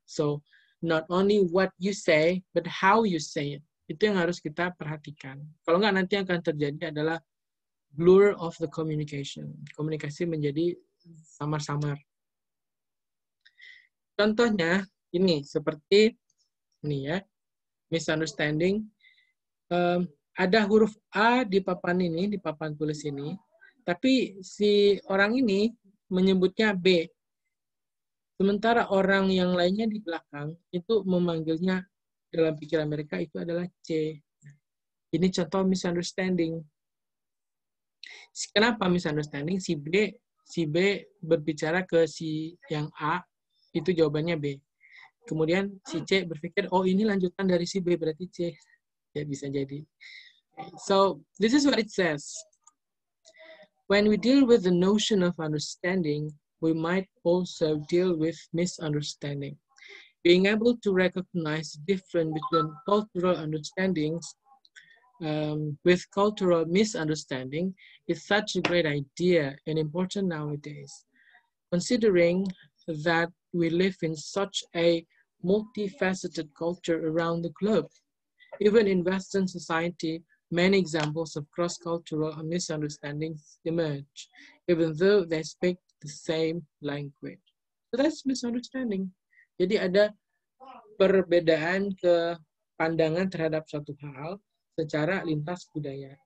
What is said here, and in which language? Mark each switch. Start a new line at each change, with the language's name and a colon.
English: So, not only what you say, but how you say it.
Indonesian: Itu yang harus kita perhatikan. Kalau enggak nanti akan terjadi adalah
English: blur of the communication.
Indonesian: Komunikasi menjadi samar-samar. Contohnya ini seperti ini ya. Misunderstanding. Ada huruf A di papan ini, di papan tulis ini, tapi si orang ini menyebutnya B. Sementara orang yang lainnya di belakang itu memanggilnya dalam pikiran mereka itu adalah C. Ini contoh misunderstanding. Kenapa misunderstanding? Si B berbicara ke si yang A, itu jawabannya B. Kemudian si C berpikir, oh ini lanjutan dari si B, berarti C. Ya bisa jadi.
English: So, this is what it says. When we deal with the notion of understanding, we might also deal with misunderstanding. Being able to recognize the difference between cultural understandings with cultural misunderstanding is such a great idea and important nowadays. Considering that we live in such a multifaceted culture around the globe, even in Western society, many examples of cross-cultural misunderstandings emerge, even though they speak the same language. So that's misunderstanding.
Indonesian: Jadi ada perbedaan kepandangan terhadap suatu hal secara lintas budaya.